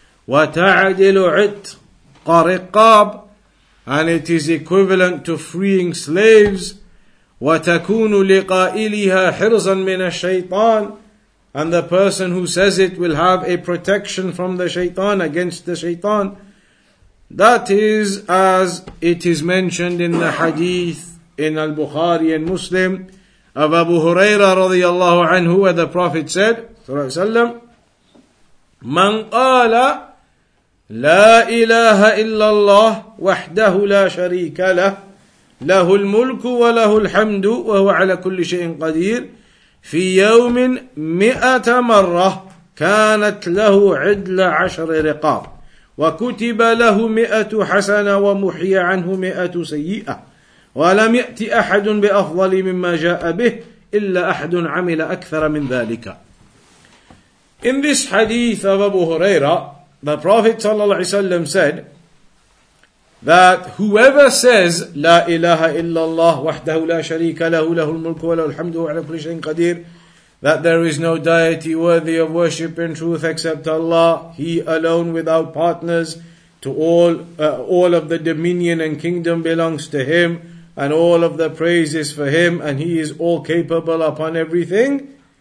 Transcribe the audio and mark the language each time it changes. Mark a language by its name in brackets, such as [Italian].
[Arabic] وَتَعْدِلُ عِتْقَ رِقَابٍ. [English] And it is equivalent to freeing slaves. [Arabic] وَتَكُونُ لِقَائِلِهَا حِرْزًا مِنَ الشَّيْطَانِ. [English] And the person who says it will have a protection from the shaitan, against the shaitan. That is as it is mentioned in the hadith in Al-Bukhari and Muslim of Abu Huraira radiyallahu anhu, where the Prophet said, sallallahu alayhi [Arabic] wa sallam, مَنْ قَالَ لا إله إلا الله وحده لا شريك له له الملك وله الحمد وهو على كل شيء قدير في يوم 100 مرة كانت له عدل 10 رقاب وكتب له 100 حسنة ومحي عنه 100 سيئة ولم يأتي أحد بأفضل مما جاء به إلا أحد عمل أكثر من ذلك. [English] In this hadith of Abu Huraira, the Prophet ﷺ said that whoever says La ilaha illallah wahdahu la sharika lahu lahul mulku wa lahul hamdu wa ala kulli shay'in qadir, that there is no deity worthy of worship in truth except Allah, he alone without partners, to all of the dominion and kingdom belongs to him, and all of the praise is for him, and he is all capable upon everything.